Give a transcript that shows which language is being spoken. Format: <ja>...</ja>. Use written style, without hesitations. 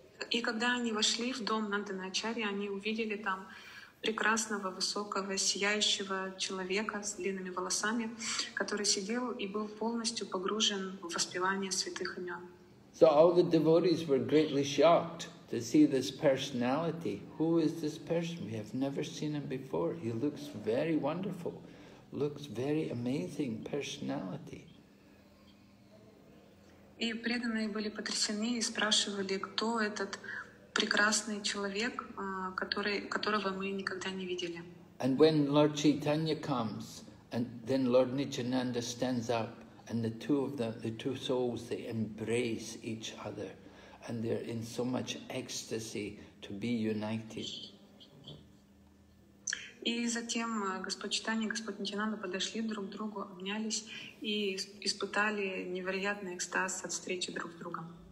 <ru>И когда они вошли в дом Нандана Ачарьи, они увидели там прекрасного, высокого, сияющего человека с длинными волосами, который сидел и был полностью погружен в воспевание святых имен.</ru> <en>So all the devotees were greatly shocked to see this personality. Who is this person? We have never seen him before. He looks very wonderful. Looks very amazing personality.</en> <ru>И преданные были потрясены и спрашивали, кто этот прекрасный человек, которого мы никогда не видели.</ru> <en>And when Lord Chaitanya comes, and then Lord Nityananda stands up, and the two souls, they embrace each other, and they're in so much ecstasy to be united.</en> <ru>И затем Господь Чайтанья и Господь Нитинанда подошли друг к другу, обнялись и испытали невероятный экстаз от встречи друг с другом.</ru>